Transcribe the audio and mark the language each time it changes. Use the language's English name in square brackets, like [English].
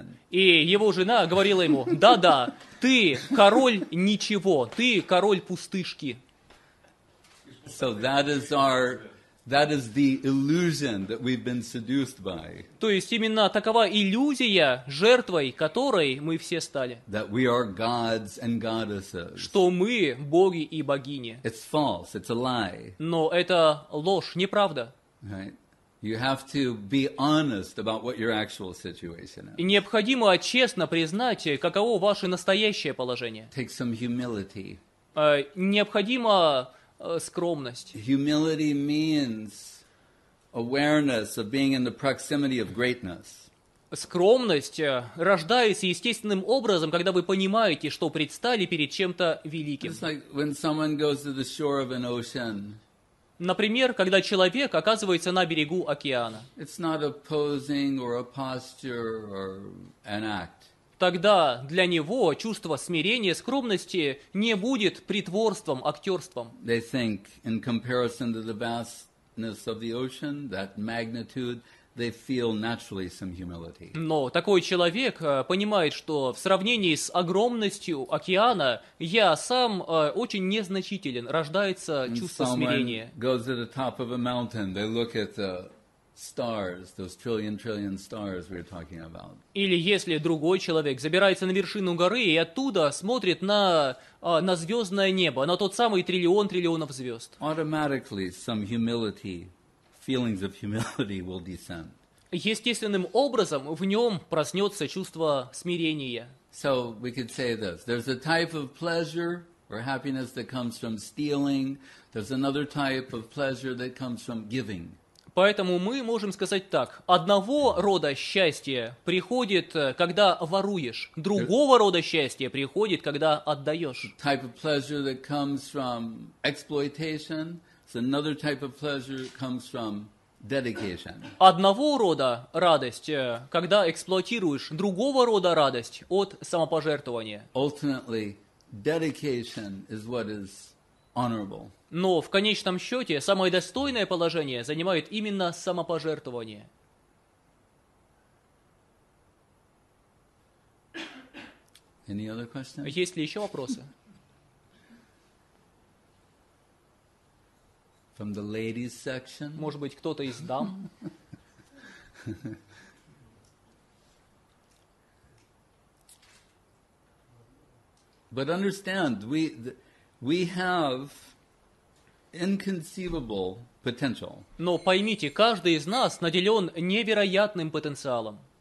[Russian] И его жена говорила ему: «Да-да, ты король ничего, ты король пустышки». [English] So that is our... That is the illusion that we've been seduced by. [Russian] То есть именно такова иллюзия, жертвой которой мы все стали. [English] That we are gods and goddesses. [Russian] Что мы боги и богини. [English] It's false, it's a lie. [Russian] Но это ложь, неправда. [English] Right? You have to be honest about what your actual situation is. [Russian] Необходимо честно признать, каково ваше настоящее положение. [English] Take some humility. [Russian] Необходимо... скромность. [English] Humility means awareness of being in the proximity of greatness. [Russian] Скромность рождается естественным образом, когда вы понимаете, что предстали перед чем-то великим. [English] It's like when someone goes to the shore of an ocean. [Russian] Например, когда человек оказывается на берегу океана. [English] It's not a posing or a posture or an act. [Russian] Тогда для него чувство смирения, скромности не будет притворством, актерством. [English] They think, in comparison to the vastness of the ocean, that magnitude, they feel naturally some humility. [Russian] Но такой человек понимает, что в сравнении с огромностью океана, я сам очень незначителен, рождается чувство смирения. [English] Someone goes to the top of a mountain, they look at the... stars, those trillion trillion stars we're talking about. [Russian] Или если другой человек забирается на вершину горы и оттуда смотрит на звездное небо, на тот самый триллион триллионов звезд. [English] Automatically, some humility, feelings of humility will descend. [Russian] Естественным образом в нем проснется чувство смирения. [English] So we could say this: there's a type of pleasure or happiness that comes from stealing. There's another type of pleasure that comes from giving. [Russian] Поэтому мы можем сказать так. Одного рода счастье приходит, когда воруешь. Другого рода счастье приходит, когда отдаешь. [English] Type of pleasure that comes from exploitation. Another type of pleasure comes from dedication. [Russian] Одного рода радость, когда эксплуатируешь, другого рода радость от самопожертвования. [English] Ultimately, dedication is what is honorable. [Russian] Но в конечном счете самое достойное положение занимает именно самопожертвование. [English] Any other questions? [Russian] Есть ли еще вопросы? [English] From the ladies section. [Russian] Может быть, кто-то из дам? [English] But understand, we have inconceivable potential. [Russian] Но поймите, каждый из нас наделен невероятным потенциалом.